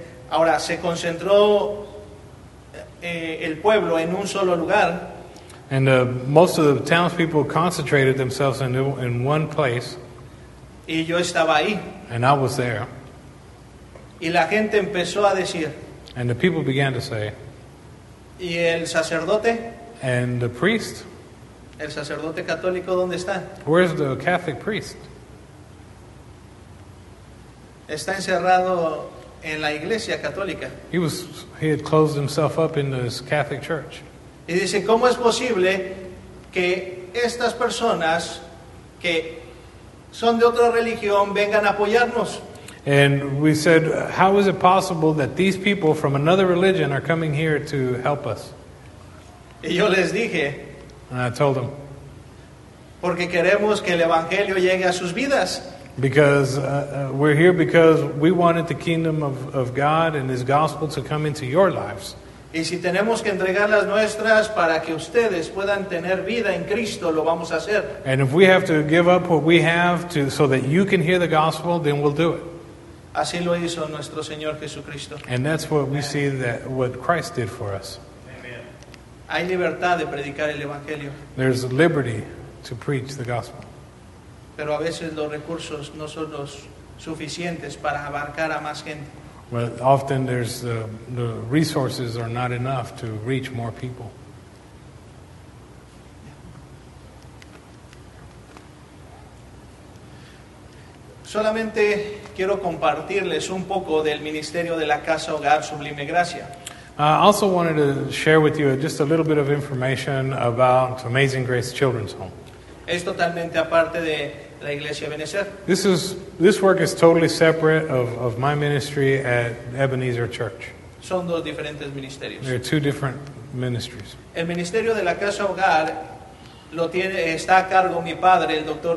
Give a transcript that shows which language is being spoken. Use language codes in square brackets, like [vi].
[es] Ahora se concentró el pueblo en un solo lugar. [en] And most of the townspeople concentrated themselves in one place. [es] Y yo estaba ahí. [en] And I was there. [es] Y la gente empezó a decir. [en] And the people began to say. [es] Y el sacerdote. [en] And the priest. [es] El sacerdote católico, ¿dónde está? [en] Where's the Catholic priest? [es] Está encerrado en la iglesia católica. [en] He had closed himself up in this Catholic church. [es] Y dice, ¿cómo es posible que estas personas que son de otra religión vengan a apoyarnos? [en] And we said, how is it possible that these people from another religion are coming here to help us? [es] Y yo les dije, [en] and I told them, [es] porque queremos que el evangelio llegue a sus vidas. [en] Because we're here because we wanted the kingdom of God and his gospel to come into your lives. [es] Y si tenemos que entregar las nuestras para que ustedes puedan tener vida en Cristo, lo vamos a hacer. [en] And if we have to give up what we have to so that you can hear the gospel, then we'll do it. [es] Así lo hizo nuestro Señor Jesucristo. [en] And that's what we see that what Christ did for us. [es] Hay libertad de predicar el evangelio. [en] There's liberty to preach the gospel. [es] Pero a veces los recursos no son los suficientes para abarcar a más gente. [en] Well, often there's the resources are not enough to reach more people. [es] Solamente quiero compartirles un poco del ministerio de la Casa Hogar Sublime Gracia. [en] I also wanted to share with you just a little bit of information about Amazing Grace Children's Home. [es] Es totalmente aparte de la Iglesia Ebenezer. [en] This work is totally separate of my ministry at Ebenezer Church. [es] Son dos diferentes ministerios. [en] They're two different ministries. [es] El ministerio de la Casa Hogar está a cargo mi padre, el Dr.